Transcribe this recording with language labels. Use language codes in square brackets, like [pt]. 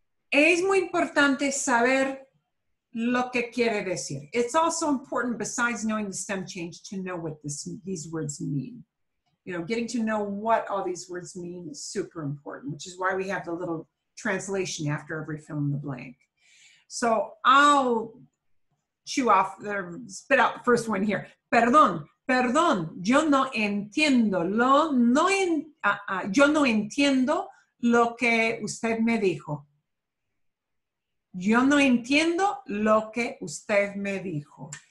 [es] Es muy importante saber lo que quiere decir. [en] It's also important, besides knowing the stem change, to know what these words mean. You know, getting to know what all these words mean is super important, which is why we have the little translation after every fill in the blank. So I'll spit out the first one here. [es] Perdón. Perdón, yo no entiendo yo no entiendo lo que usted me dijo. Yo no entiendo lo que usted me dijo.